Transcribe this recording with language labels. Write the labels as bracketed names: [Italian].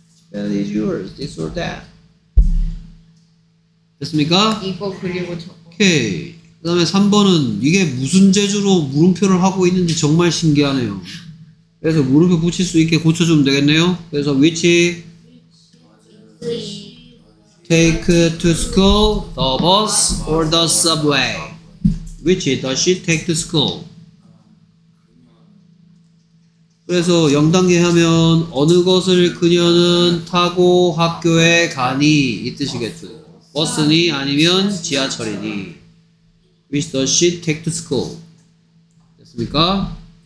[English] That is yours, this or that. [Korean] 됐습니까? 이거 그리고 저거. 오케이. 그 다음에 3번은 이게 무슨 재주로 물음표를 하고 있는지 정말 신기하네요. 그래서 물음표 붙일 수 있게 고쳐주면 되겠네요. [English] 그래서 which take to school, the bus or the subway? Which does she take to school? [Korean] 그래서 0단계 하면 어느 것을 그녀는 타고 학교에 가니 이 뜻이겠죠. 버스니 아니면 지하철이니. [English] Which does she take to school? [Korean] 됐습니까?